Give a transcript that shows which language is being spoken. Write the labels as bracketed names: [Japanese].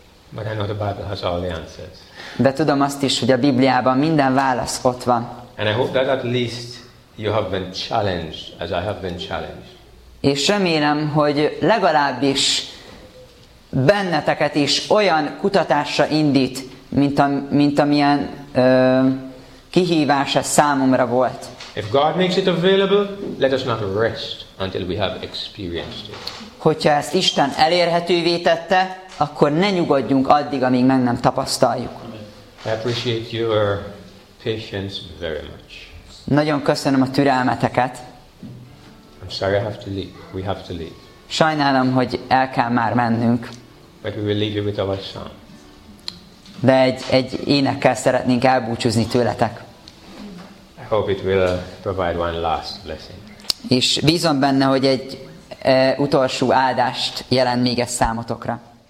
[English] But I know the Bible has all the answers. [Hungarian] De tudom azt is, hogy a Bibliában minden válasz ott van. [English] And I hope that at least you have been challenged as I have been challenged. [Hungarian] És remélem, hogy legalábbis benneteket is olyan kutatásra indít, mint amilyen kihívás ez számomra volt. [English] If God makes it available, let us not rest until we have experienced it. [Hungarian] Hogyha ezt Isten elérhetővé tette, akkor ne nyugodjunk addig, amíg meg nem tapasztaljuk. [English] I appreciate your patience very much. [Hungarian] Nagyon köszönöm a türelmeteket. [English] I'm sorry, I have to leave. We have to leave. [Hungarian] Sajnálom, hogy el kell már mennünk. [English] But we will leave you with our song. [Hungarian] De egy énekkel szeretnénk elbúcsúzni tőletek. [English] I hope it will provide one last blessing. [Hungarian] És bízom benne, hogy egy utolsó áldást jelent még ez számotokra.